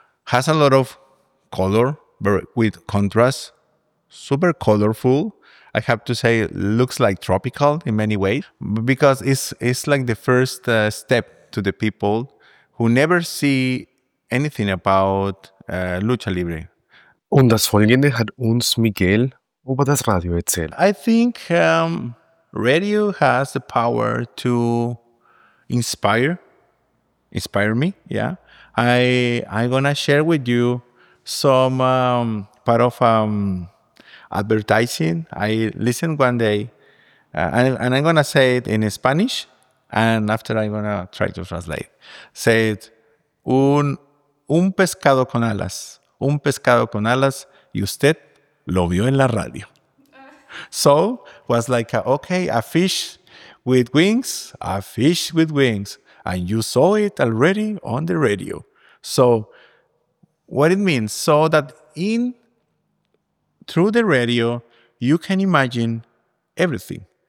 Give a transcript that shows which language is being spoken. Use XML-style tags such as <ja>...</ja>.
<en>Has a lot of color with contrast, super colorful. I have to say, looks like tropical in many ways because it's like the first step to the people who never see anything about Lucha Libre.</en> <de>Und das Folgende hat uns Miguel über das Radio erzählt.</de> <en>I think radio has the power to inspire me, yeah. I'm gonna share with you some part of advertising. I listened one day and I'm gonna say it in Spanish and after I'm gonna try to translate. Say it,</en> <es>un pescado con alas, un pescado con alas, y usted lo vio en la radio.</es> <en>So, was like, a fish with wings, and you saw it already on the radio. So, what it means? So that through the radio, you can imagine everything.</en>